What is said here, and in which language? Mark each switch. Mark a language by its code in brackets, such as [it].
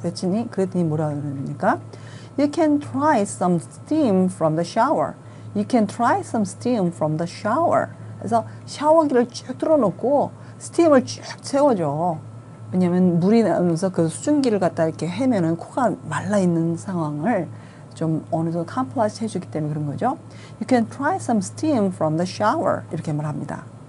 [ko] 그랬더니 뭐라고 합니까? [en] You can try some steam from the shower. You can try some steam from the shower. [ko] 그래서 샤워기를 쭉 틀어놓고 스팀을 쭉 채워줘. 왜냐면 물이 나면서 그 수증기를 갖다 이렇게 헤매는 코가 말라 있는 상황을 좀 어느 정도 캄플라시 해주기 때문에 그런 거죠. [en] You can try some steam from the shower [ko] 이렇게 말합니다.